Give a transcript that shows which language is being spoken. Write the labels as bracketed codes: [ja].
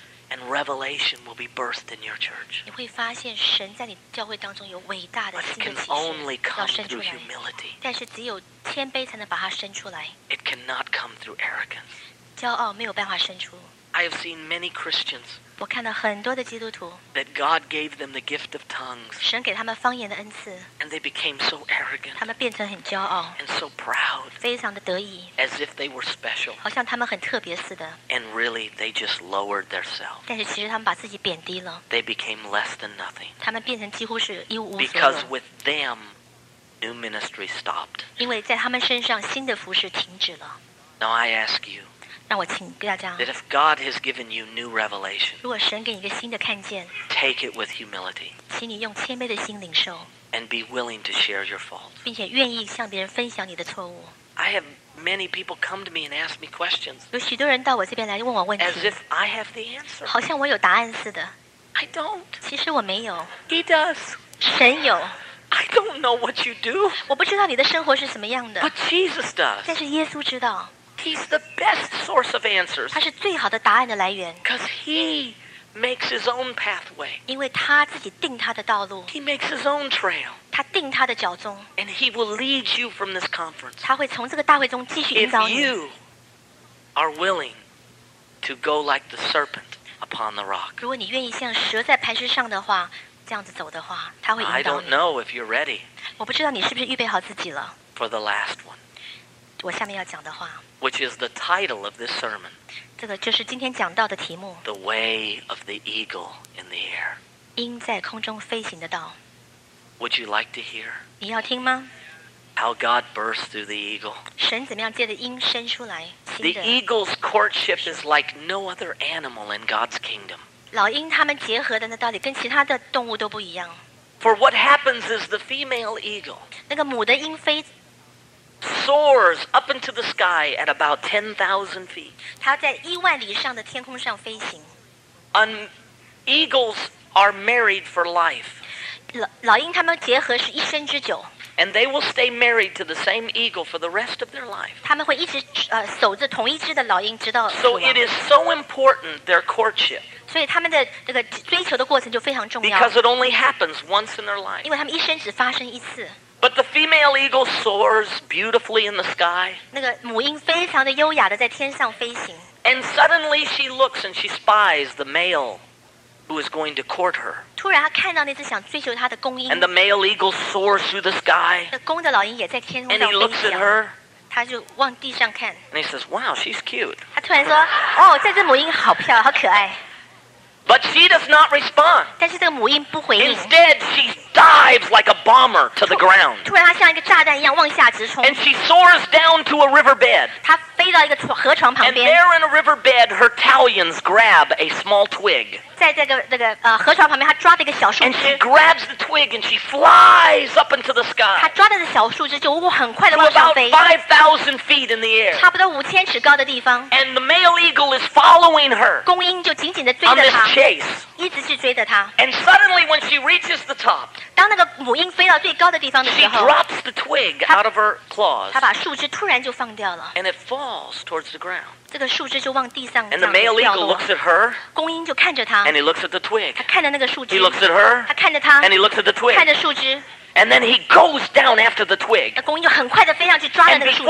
[en] And revelation will be birthed in your church. [zh] 你会发现神在你教会当中有伟大的新的启示 [en] But it can only come through humility. [zh] 但是只有谦卑才能把它生出来 [en] It cannot come through arrogance. [zh] 骄傲没有办法生出 [en] I have seen many Christians. [zh] 我看到很多的基督徒 [en] That God gave them the gift of tongues. [zh] 神给他们方言的恩赐 [en] And they became so arrogant. [zh] 他们变成很骄傲 [en] And so proud. [zh] 非常的得意 [en] As if they were special. [zh] 好像他们很特别似的 [en] And really, they just lowered themselves. [zh] 但是其实他们把自己贬低了 [en] They became less than nothing. [zh] 他们变成几乎是一无所有 [en] Because with them, new ministry stopped. [zh] 因为在他们身上新的服事停止了 [en] Now I ask you. That if God has given you new revelation, [zh] 如果神给你一个新的看见 [en] take it with humility, [zh] 请你用谦卑的心领受 [en] and be willing to share your faults, [zh] 并且愿意向别人分享你的错误 [en] I have many people come to me and ask me questions, [zh] 有许多人到我这边来问我问题 [en] as if I have the answer, [zh] 好像我有答案似的 [en] I don't, [zh] 其实我没有 [en] He does, [zh] 神有。 [en] I don't know what you do, [zh] 我不知道你的生活是什么样的 [en] but Jesus does, [zh] 但是耶稣知道。 [en] He's the best source of answers. [zh] 他是最好的答案的来源。 [en] Because he makes his own pathway. [zh] 因为他自己定他的道路。 [en] He makes his own trail. [zh] 他定他的脚踪。 [en] And he will lead you from this conference. [zh] 他会从这个大会中继续引导你。 [en] If you are willing to go like the serpent upon the rock. [zh] 如果你愿意像蛇在磐石上的话，这样子走的话，他会引导你。 [en] I don't know if you're ready. [zh] 我不知道你是不是预备好自己了。 [en] For the last one. [zh] 我下面要讲的话 [en] which is the title of this sermon. [zh] 这个就是今天讲到的题目 [en] The way of the eagle in the air. [zh] 鹰在空中飞行的道 [en] Would you like to hear? [zh] 你要听吗 [en] How God burst through the eagle. [zh] 神怎么样借着鹰伸出来 [en] The eagle's courtship is like no other animal in God's kingdom. [zh] 老鹰他们结合的那道理跟其他的动物都不一样 [en] For what happens is the female eagle. [zh] 那个母的鹰飞 [en] Soars up into the sky at about 10,000 feet. [zh] 它在一万里上的天空上飞行。 [en] Eagles are married for life. [zh] 老鹰他们结合是一生之久。 [en] And they will stay married to the same eagle for the rest of their life. [zh] 他们会一直守着同一只的老鹰直到。 [en] So it is so important their courtship. [zh] 所以他们的这个追求的过程就非常重要。 [en] Because it only happens once in their life. [zh] 因为他们一生只发生一次。 [en] But the female eagle soars beautifully in the sky. [zh] 那个母鹰非常的优雅的在天上飞行。 [en] And suddenly she looks and she spies the male who is going to court her. [zh] 突然她看到那只想追求她的公鹰。 [en] And the male eagle soars through the sky. [zh] 那公的老鹰也在天空上飞行。 [en] And he looks at her. [zh] 她就往地上看。 [en] And he says, "Wow, she's cute." [zh] 她突然说，哦，这只母鹰好漂亮，好可爱。 [en] But she does not respond. [zh] 但是这个母鹰不回应。 [en] Instead, she dies. dives like a bomber to the ground. [zh] 突然，她像一个炸弹一样往下直冲。 [en] And she soars down to a riverbed. [zh] 她飞到一个河床旁边。 [en] And there in a riverbed, her talons grab a small twig. [zh] 在这个那个河床旁边，她抓着一个小树枝。 [en] And she grabs the twig and she flies up into the sky. [zh] 她抓着这小树枝就很快的往上飞。 [en] About 5,000 feet in the air. [zh] 差不多五千尺高的地方。 [en] And the male eagle is following her. [zh] 公鹰就紧紧的追着她。 [en] On this chase. [zh] 一直去追着他。 [en] And suddenly, when she reaches the top, [zh] 当那个母鹰飞到最高的地方的时候 [en] ，she drops the twig out of her claws. [zh] 她把树枝突然就放掉了。 [en] And it falls towards the ground. [zh] 这个树枝就往地上。 [en] And the male eagle looks at her. [zh] 公鹰就看着他。 [en] And he looks at the twig. [zh] 他看着那个树枝。 [en] He looks at her. [zh] 他看着他。 [en] And he looks at the twig. [zh] 看着树枝。 [en] And then he goes down after the twig. [zh] 那公鹰就很快的飞上去抓了那个树枝。